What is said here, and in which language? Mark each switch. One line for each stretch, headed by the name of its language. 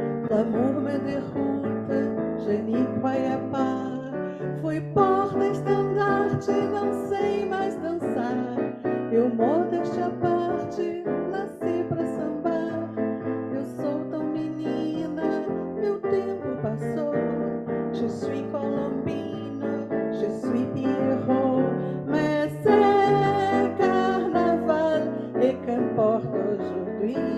French: L'amour me
Portuguese: derrota,
French: je n'y croyais pas.
Portuguese: Fui porta-estandarte, não sei mais dançar. Eu, modéstia à parte, nasci pra sambar. Eu sou tão menina, meu tempo passou.
French: Je suis colombina, je suis Pierrot. Mais c'est carnaval, et qu'importe aujourd'hui.